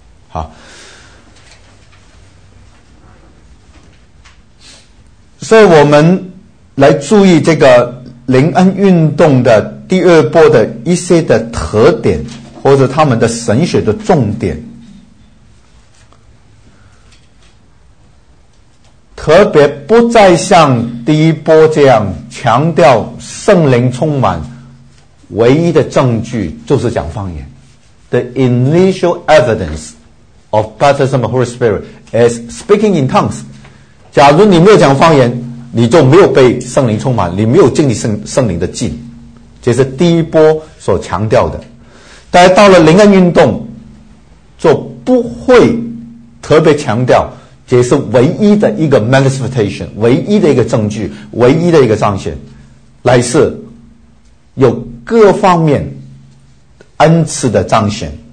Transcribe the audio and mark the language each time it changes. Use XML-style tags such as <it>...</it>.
<zh>好，所以我们来注意这个灵恩运动的第二波的一些的特点，或者他们的神学的重点。特别不再像第一波这样强调圣灵充满，唯一的证据就是讲方言。</zh> <en>The initial evidence of baptism of the Holy Spirit is speaking in tongues.</en> <zh>假如你没有讲方言，你就没有被圣灵充满，你没有经历圣灵的浸，这是第一波所强调的。但是到了灵恩运动，就不会特别强调，这是唯一的一个 manifestation， 唯一的一个证据，唯一的一个彰显，乃是有各方面恩赐的彰显。</zh>